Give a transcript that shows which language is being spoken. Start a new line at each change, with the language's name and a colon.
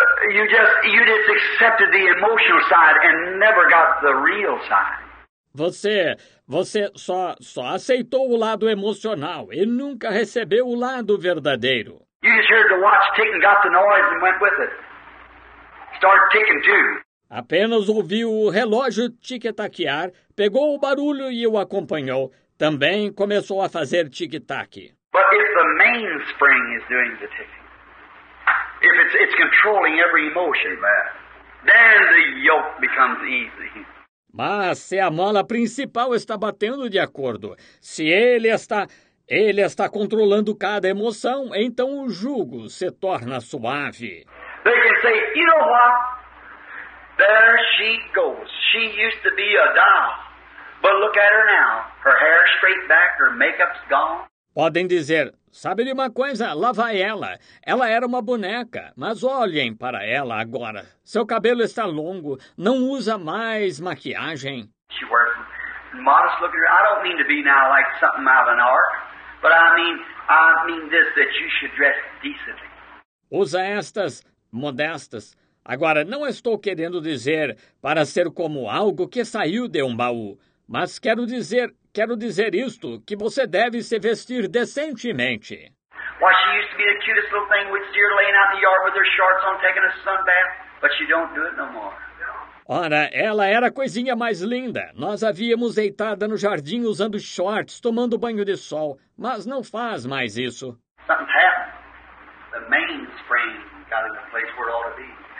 English: You just accepted the emotional side and never got the real side.
Portuguese: Você só aceitou o lado emocional e nunca recebeu o lado verdadeiro.
English: You just heard the watch tick and got the noise and went with it. Started ticking too.
Portuguese: Apenas ouviu o relógio tic-taquear, pegou o barulho e o acompanhou. Também começou a fazer tic-tac.
English: But if the mainspring is doing the ticking, if it's controlling every emotion, then the yoke becomes easy.
Portuguese: Mas se a mola principal está batendo de acordo, se ele está controlando cada emoção, então o jugo se torna suave.
English: They can say, you know what? There she goes. She used to be a doll. But look at her now. Her hair straight back, her makeup's gone.
Portuguese: Podem dizer, sabe de uma coisa? Lá vai ela. Ela era uma boneca. Mas olhem para ela agora. Seu cabelo está longo. Não usa mais maquiagem.
English: She wears modest looking. I don't mean to be now like something out of an ark. But I mean this, that you should dress decently.
Portuguese: Usa estas modestas. Agora, não estou querendo dizer para ser como algo que saiu de um baú, mas quero dizer isto, que você deve se vestir decentemente.
English: Why, she used to be the cutest little thing with deer laying out in the yard with her shorts on taking a sun bath, but she don't do it no more.
Portuguese: Ora, ela era a coisinha mais linda. Nós a víamos deitada no jardim usando shorts, tomando banho de sol, mas não faz mais isso.
English: Something happened. The mainspring got in the place where it ought to be.